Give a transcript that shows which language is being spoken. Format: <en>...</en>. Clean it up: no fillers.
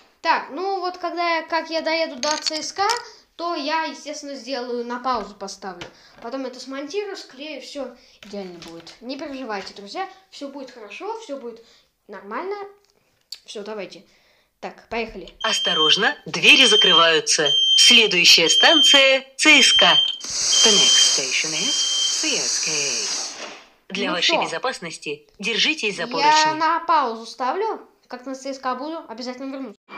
<ru>Так, ну вот когда я, как я доеду до ЦСКА, то я, естественно, сделаю на паузу поставлю. Потом это смонтирую, склею, все идеально будет. Не переживайте, друзья, все будет хорошо, все будет нормально. Все, давайте. Так, поехали. Осторожно, двери закрываются. Следующая станция ЦСКА.</ru> <en>The next station is CSKA.</en> <ru>Для вашей безопасности держитесь за поручни. Я на паузу ставлю. Как на ЦСКА буду, обязательно вернусь.</ru>